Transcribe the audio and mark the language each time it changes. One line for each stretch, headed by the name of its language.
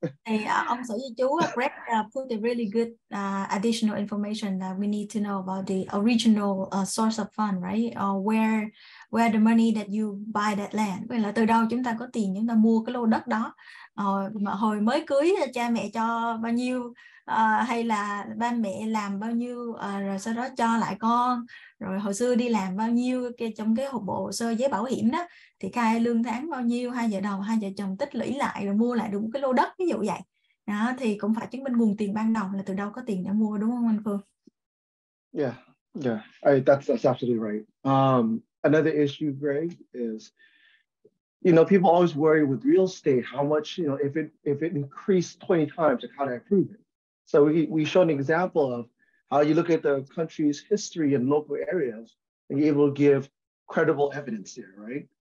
Vietnamese: Thì ông sở di chú
English: Greg put a really good additional information that we need to know about the original source of fund, right? Or where the money that you buy that land.
Vietnamese: Vậy là từ đâu chúng ta có tiền chúng ta mua cái lô đất đó. Mà hồi mới cưới cha mẹ cho bao nhiêu hay là ba mẹ làm bao nhiêu rồi sau đó cho lại con, rồi hồi xưa đi làm bao nhiêu cái trong cái hộp bộ sơ giấy bảo hiểm đó thì khai lương tháng bao nhiêu, hai vợ đầu hai vợ chồng tích lũy lại rồi mua lại đúng cái lô đất ví dụ vậy đó, thì cũng phải chứng minh nguồn tiền ban đầu là từ đâu có tiền để mua, đúng không anh Phương?
English: Yeah, that's absolutely right. Another issue, Greg, is you know, people always worry with real estate how much, you know, if it increased 20 times, like how to approve it. So we showed an example of how you look at the country's history and local areas and you're able to give credible evidence there, right?